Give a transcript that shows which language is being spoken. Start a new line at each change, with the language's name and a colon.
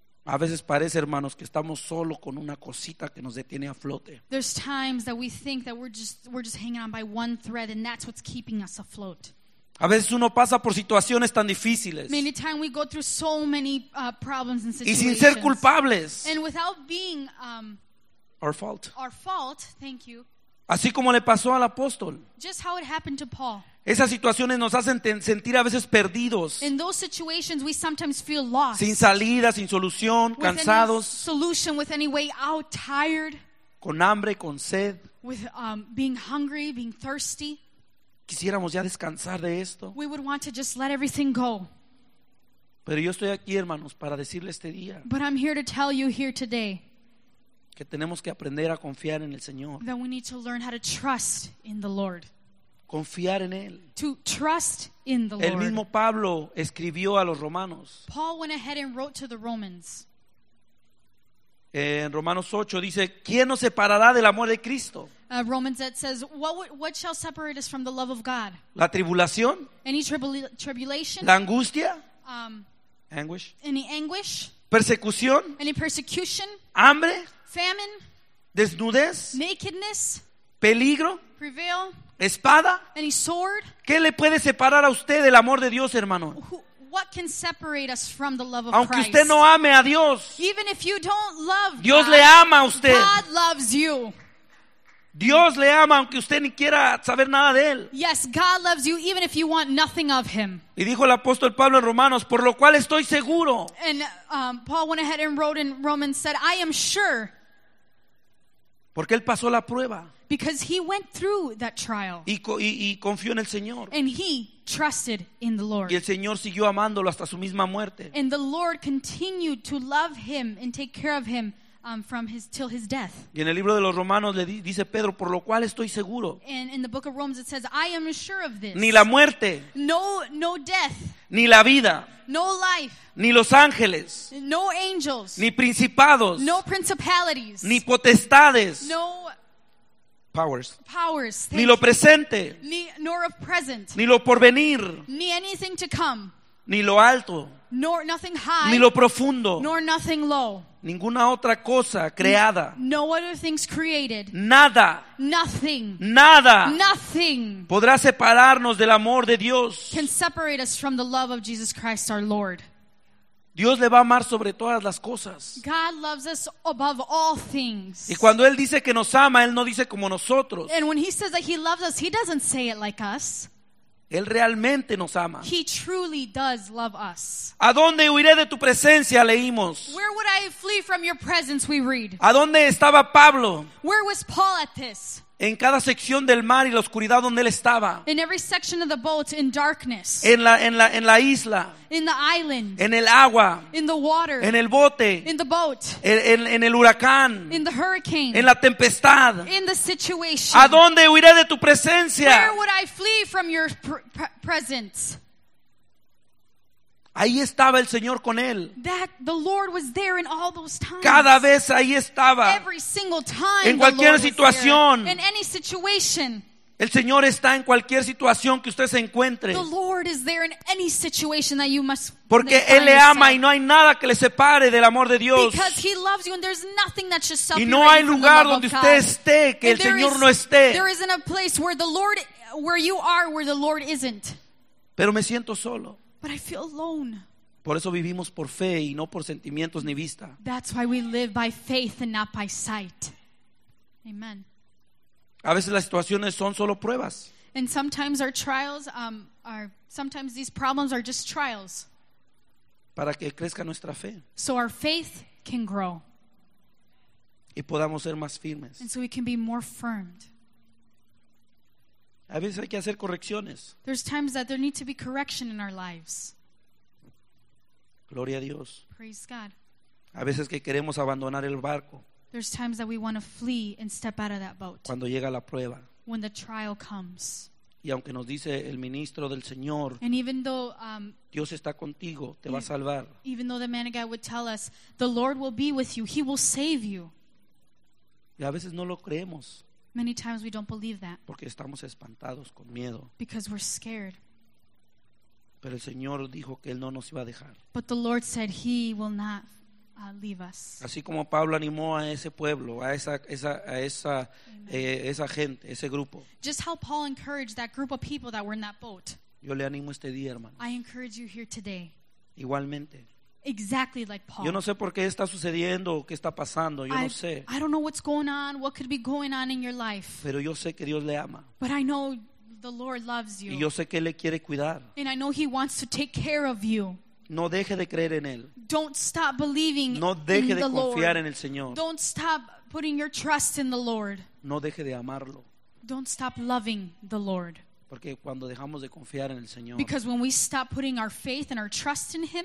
Spanish: A veces parece, hermanos, que estamos solo con una cosita que nos detiene a flote.
English: There's times that we think that we're just hanging on by one thread, and that's what's keeping us afloat. A veces uno pasa por situaciones tan difíciles. Many times we go through so many problems and situations.
Spanish: Y sin ser culpables.
English: And without being our fault. Thank you.
Spanish: Así como le pasó al apóstol.
English: Just how it happened to Paul.
Spanish: Esas situaciones nos hacen sentir a veces perdidos.
English: In those situations we sometimes feel lost.
Spanish: Sin salida, sin solución,
English: with
Spanish: cansados.
English: Any solution, with any way out, tired.
Spanish: Con hambre, con sed.
English: With being hungry, being thirsty.
Spanish: Quisiéramos ya descansar de esto.
English: We would want to just let everything go.
Spanish: Pero yo estoy aquí, hermanos, para decirle este día.
English: But I'm here to tell you here today.
Spanish: Que tenemos que aprender a confiar en el Señor.
English: That we need to learn how to trust in the Lord.
Spanish: Confiar en él.
English: To trust in the
Spanish: el El mismo Pablo escribió a los romanos.
English: Paul went ahead and wrote to the Romans.
Spanish: En Romanos 8 dice, ¿quién nos separará del amor de Cristo?
English: Romans that says, what shall separate us from the love of God?
Spanish: La tribulación.
English: Any tribulation.
Spanish: La angustia.
English: Anguish. Any anguish.
Spanish: Persecución.
English: Any persecution.
Spanish: Hambre.
English: Famine.
Spanish: Desnudez.
English: Nakedness.
Spanish: Peligro.
English: Prevail.
Spanish: Espada.
English: Any sword.
Spanish: ¿Qué le puede separar a usted del amor de Dios, hermano?
English: What can separate us from the love of Christ?
Spanish: Aunque usted no ame a Dios.
English: Even if you don't love
Spanish: Dios
English: God,
Spanish: le ama a usted.
English: God loves you.
Spanish: Dios le ama aunque usted ni quiera saber nada de él.
English: Yes, God loves you even if you want nothing of him.
Spanish: Y dijo el apóstol Pablo en Romanos, por lo cual estoy seguro.
English: And Paul went ahead and wrote in Romans, said, I am sure.
Spanish: Porque él pasó la prueba.
English: Because he went through that trial.
Spanish: Y confió en el Señor.
English: And he trusted in the Lord.
Spanish: Y el Señor siguió amándolo hasta su misma muerte.
English: And the Lord continued to love him and take care of him till his death.
Spanish: Y en el libro de los Romanos le dice Pedro, por lo cual estoy seguro.
English: And in the book of Romans it says, I am sure of this.
Spanish: Ni la muerte.
English: No death.
Spanish: Ni la vida.
English: No life.
Spanish: Ni los ángeles.
English: No angels.
Spanish: Ni principados.
English: No principalities.
Spanish: Ni potestades.
English: No powers. Powers.
Spanish: Ni lo presente.
English: Nor of present.
Spanish: Ni lo porvenir.
English: Ni anything to come.
Spanish: Ni lo alto.
English: Nor nothing high.
Spanish: Ni lo profundo.
English: Nor nothing low.
Spanish: Ninguna otra cosa creada.
English: No other things created.
Spanish: Nada.
English: Nothing.
Spanish: Nada.
English: Nothing.
Spanish: Podrá separarnos del amor de Dios.
English: Can separate us from the love of Jesus Christ our Lord.
Spanish: Dios le va a amar sobre todas las cosas.
English: God loves us above all things.
Spanish: Y cuando Él dice que nos ama, Él no dice como nosotros.
English: And when He says that He loves us, He doesn't say it like us.
Spanish: Él realmente nos ama.
English: He truly does love us.
Spanish: ¿A dónde huiré de tu presencia? Leímos.
English: Where would I flee from your presence? We read.
Spanish: ¿A dónde estaba Pablo?
English: Where was Paul at this?
Spanish: En cada sección del mar y la oscuridad donde él estaba.
English: In every section of the boat, in darkness.
Spanish: En la isla.
English: In the island.
Spanish: En el agua.
English: In the water.
Spanish: En el bote.
English: In the boat.
Spanish: En el huracán.
English: In the hurricane.
Spanish: En la tempestad.
English: In the situation.
Spanish: ¿A dónde huiré de tu presencia?
English: Where would I flee from your presence?
Spanish: Ahí estaba el Señor con él.
English: That the Lord was there in all those times.
Spanish: Cada vez ahí estaba.
English: Every single time.
Spanish: En cualquier situación.
English: In any situation.
Spanish: El Señor está en cualquier situación que usted se encuentre.
English: The Lord is there in any situation that you must.
Spanish: Porque Él le ama y no hay nada que le separe del amor de Dios.
English: Because He loves you and there's nothing that should separate.
Spanish: Y no hay lugar donde usted esté que el Señor no esté.
English: There isn't a place where the Lord, where you are, where the Lord isn't.
Spanish: Pero me siento solo.
English: But I feel alone.
Spanish: Por eso vivimos por fe y no por sentimientos ni vista.
English: That's why we live by faith and not by sight. Amen.
Spanish: A veces las situaciones son solo pruebas.
English: And sometimes our trials sometimes these problems are just trials.
Spanish: Para que crezca nuestra fe.
English: So our faith can grow.
Spanish: Y podamos ser más firmes.
English: And so we can be more firm.
Spanish: A veces hay que hacer correcciones.
English: There's times that there need to be correction in our lives.
Spanish: Gloria a Dios.
English: Praise God.
Spanish: A veces que queremos abandonar el barco.
English: There's times that we want to flee and step out of that boat.
Spanish: Cuando llega la prueba.
English: When the trial comes.
Spanish: Y aunque nos dice el ministro del Señor,
English: and even though
Spanish: Dios está contigo, te va a salvar.
English: Even though the man of God would tell us, the Lord will be with you, He will save you.
Spanish: Y a veces no lo creemos.
English: Many times we don't believe that.
Spanish: Porque estamos espantados con miedo.
English: Because we're scared.
Spanish: Pero el Señor dijo que Él no nos iba a dejar.
English: But the Lord said He will not leave us.
Spanish: Así como Pablo animó a ese pueblo, a esa gente, ese grupo.
English: Just how Paul encouraged that group of people that were in that boat.
Spanish: Yo le animo este día, hermano.
English: I encourage you here today.
Spanish: Igualmente.
English: Exactly like Paul.
Spanish: Yo no sé por qué está sucediendo o qué está pasando. Yo no sé.
English: I don't know what's going on, what could be going on in your life.
Spanish: Pero yo sé que Dios le ama.
English: But I know the Lord loves you.
Spanish: Y yo sé que Él le quiere cuidar.
English: And I know He wants to take care of you.
Spanish: No deje de creer en Él.
English: Don't stop believing
Spanish: no deje
English: in the
Spanish: de confiar
English: Lord.
Spanish: En el Señor.
English: Don't stop putting your trust in the Lord.
Spanish: No deje de amarlo.
English: Don't stop loving the Lord.
Spanish: Porque cuando dejamos de confiar en el Señor,
English: because when we stop putting our faith and our trust in Him,